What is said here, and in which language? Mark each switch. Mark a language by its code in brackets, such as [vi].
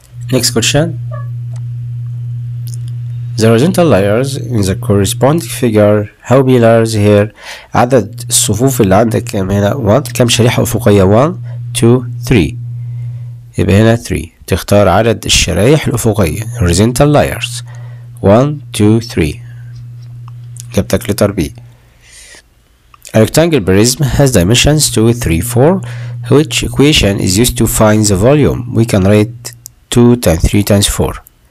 [en] Next question. The horizontal layers in the corresponding figure، how many layers here؟ [ar] عدد الصفوف اللي عندك كام هنا؟ [en] 1. [ar] كم شريحة أفقية؟ 1 2 3. يبقى هنا 3. تختار عدد الشرايح الأفقية، horizontal layers، 1 2 3. جبتك لتر B. [en] A rectangle prism has dimensions 2 3 4، which equation is used to find the volume؟ We can write 2 × 3 × 4.